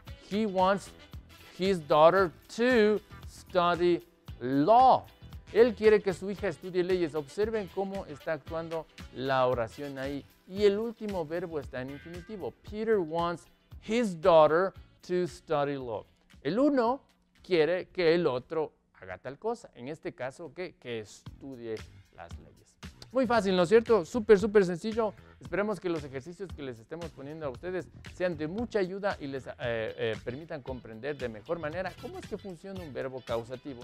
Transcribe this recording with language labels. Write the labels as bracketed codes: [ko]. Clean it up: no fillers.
[en] He wants his daughter to study law. [es] Él quiere que su hija estudie leyes. Observen cómo está actuando la oración ahí. Y el último verbo está en infinitivo. [en] Peter wants his daughter to study law. [es] El uno quiere que el otro haga tal cosa. En este caso, que estudie las leyes. Muy fácil, ¿no es cierto? Súper, súper sencillo. Esperemos que los ejercicios que les estemos poniendo a ustedes sean de mucha ayuda y les permitan comprender de mejor manera cómo es que funciona un verbo causativo.